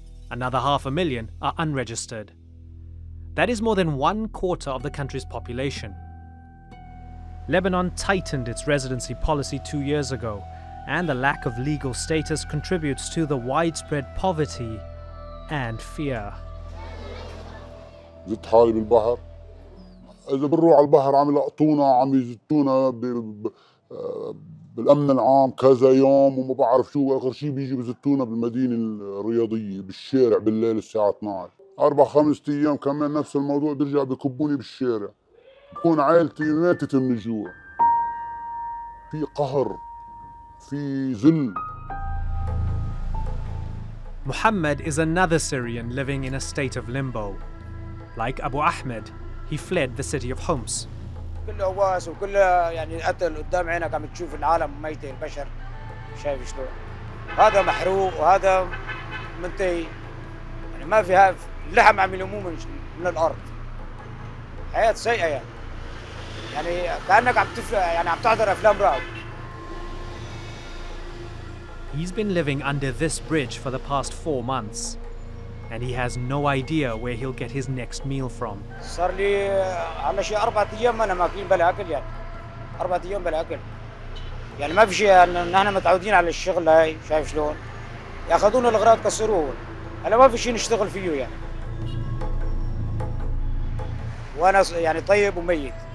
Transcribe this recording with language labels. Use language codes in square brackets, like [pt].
[en] Another 500,000 are unregistered. That is more than one quarter of the country's population. Lebanon tightened its residency policy 2 years ago, and the lack of legal status contributes to the widespread poverty and fear. [ar] زدت حالي بالبحر. إذا بروح على البحر عم يلقطونا عم يزتونا بالأمن العام كذا يوم وما بعرف شو آخر شيء بيجي بزتونا بالمدينة الرياضية بالشارع بالليل الساعة 12 أربع خمس أيام كمان نفس الموضوع برجع بكبوني بالشارع بكون عائلتي ماتت من الجوع في قهر في ذل [en] محمد is another Syrian living in a state of limbo like Abu Ahmed he fled the city of Homs [ar] كله هواس وكله يعني القتل قدام عينك عم تشوف العالم ميتة البشر شايف شلون هذا محروق وهذا منتهي يعني ما في هاف لحم عم يلموه من الارض حياة سيئة يعني كأنك عم تفلق يعني عم تحضر افلام رعب [en] He's been living under this bridge for the past 4 months and he has no idea where he'll get his next meal from. [ar] صار لي على شي 4 ايام انا ما في بلا اكل يعني 4 ايام بلا اكل يعني ما في شيء نحن متعودين على الشغل هاي شايف شلون ياخذون الاغراض كسروه انا ما في شيء نشتغل فيه يعني وانا يعني طيب وميت